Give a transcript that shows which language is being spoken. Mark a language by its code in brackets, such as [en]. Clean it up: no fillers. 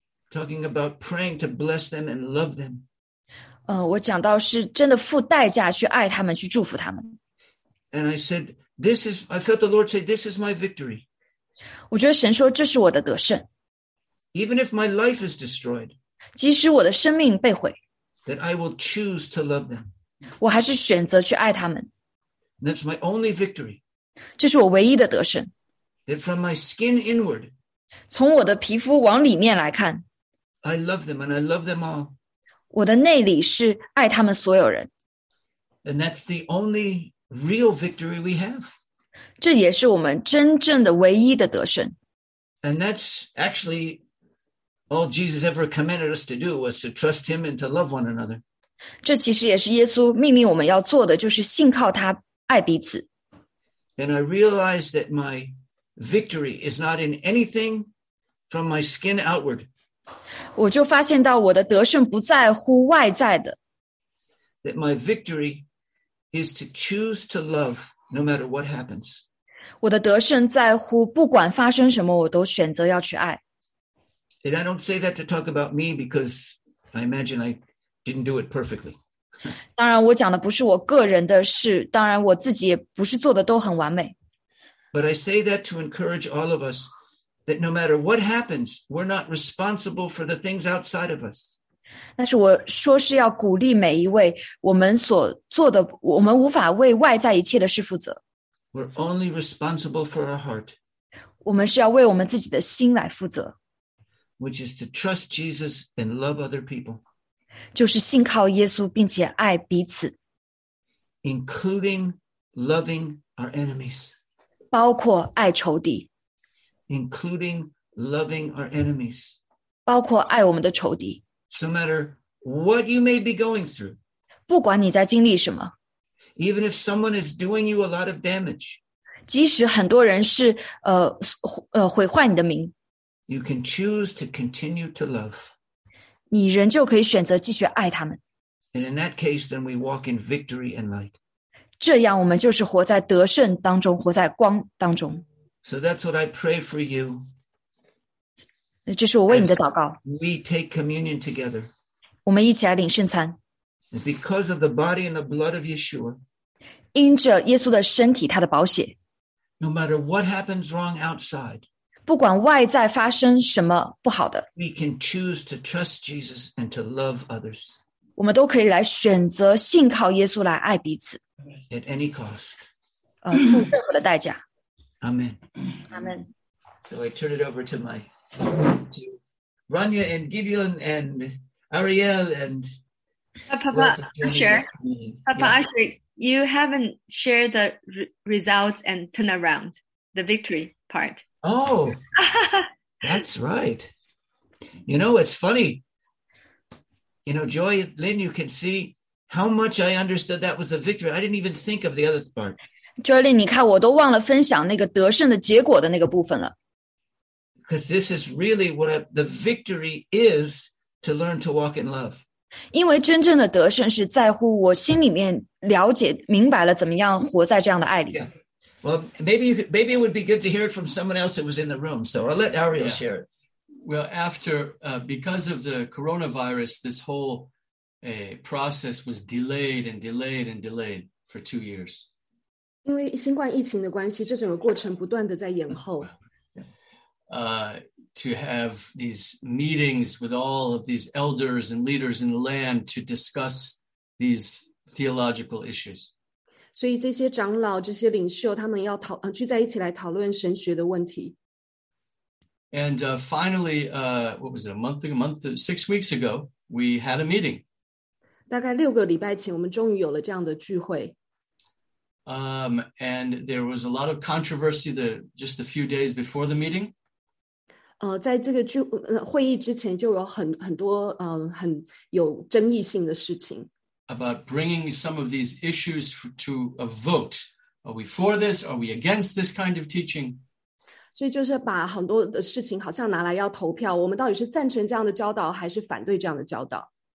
[en] Talking about praying to bless them and love them. [zh] 我讲到是真的付代价去爱他们，去祝福他们。 [en] And I said, this is, I felt the Lord say, this is my victory. [zh] 我觉得神说这是我的得胜。 [en] Even if my life is destroyed. [zh] 即使我的生命被毁。 [en] That I will choose to love them. [zh] 我还是选择去爱他们。 [en] And that's my only victory. [zh] 这是我唯一的得胜。 [en] That from my skin inward. [zh] 从我的皮肤往里面来看。 [en] I love them and I love them all. [zh] 我的内里是爱他们所有人。 [en] And that's the only real victory we have. [zh] 这也是我们真正的唯一的得胜。 [en] And that's actually all Jesus ever commanded us to do was to trust him and to love one another. [zh] 这其实也是耶稣命令我们要做的，就是信靠他，爱彼此。 [en] And I realized that my victory is not in anything from my skin outward. [zh] 我就发现到我的得胜不在乎外在的。 [en] That my victory is to choose to love no matter what happens. [zh] 我的得胜在乎不管发生什么我都选择要去爱。 [en] And I don't say that to talk about me because I imagine I didn't do it perfectly. [zh] 当然我讲的不是我个人的事，当然我自己也不是做的都很完美。 [en] But I say that to encourage all of us that no matter what happens, we're not responsible for the things outside of us. [zh] 但是我说是要鼓励每一位，我们所做的，我们无法为外在一切的事负责。 [en] We're only responsible for our heart. [zh] 我们是要为我们自己的心来负责。 [en] Which is to trust Jesus and love other people. [zh] 就是信靠耶稣并且爱彼此。 [en] Including loving our enemies. [zh] 包括爱仇敌 [en] including loving our enemies [zh] 包括爱我们的仇敌 [en] no matter what you may be going through [zh] 不管你在经历什么 [en] even if someone is doing you a lot of damage [zh] 即使很多人是毁坏你的名 [en] you can choose to continue to love [zh] 你仍旧可以选择继续爱他们 [en] and in that case then we walk in victory and light [zh] 这样我们就是活在得胜当中，活在光当中。 [en] So that's what I pray for you. [zh] 这是我为你的祷告。 [en] We take communion together. [zh] 我们一起来领圣餐。 [en] Because of the body and the blood of Yeshua. [zh] 因着耶稣的身体，他的宝血。 [en] No matter what happens wrong outside. [zh] 不管外在发生什么不好的。 [en] We can choose to trust Jesus and to love others. [zh] 我们都可以来选择信靠耶稣来爱彼此。 [en] At any cost. [zh] 付任何的代价。 [en] Amen. Amen. So I turn it over to my to Rania and Gideon and Ariel and Papa Usher. Papa Usher, you haven't shared the results and turnaround, the victory part. Oh, that's right. You know, it's funny. You know, Joy, Lynn, you can see. How much I understood that was a victory. I didn't even think of the other part. [zh] Joely, 你看我都忘了分享那个得胜的结果的那个部分了。 [en] Because this is really what the victory is to learn to walk in love. [zh] 因为真正的得胜是在乎我心里面了解明白了怎么样活在这样的爱里。 [en] Yeah. Well, maybe it would be good to hear it from someone else that was in the room. So I'll let Ariel share it. Well, after, because of the coronavirus, this whole process was delayed and delayed and delayed for 2 years. [zh] 因为新冠疫情的关系，这整个过程不断的在延后。 [en] To have these meetings with all of these elders and leaders in the land to discuss these theological issues. [zh] 所以这些长老、这些领袖，他们要讨聚在一起来讨论神学的问题。 [en] And finally, what was it? A month, 6 weeks ago, we had a meeting. [zh] 大概六个礼拜前，我们终于有了这样的聚会。 [en] And there was a lot of controversy just a few days before the meeting. [zh] 在这个会议之前就有很有争议性的事情。 [en] About bringing some of these issues to a vote. Are we for this? Are we against this kind of teaching? [zh] 所以就是把很多的事情好像拿来要投票，我们到底是赞成这样的教导还是反对这样的教导。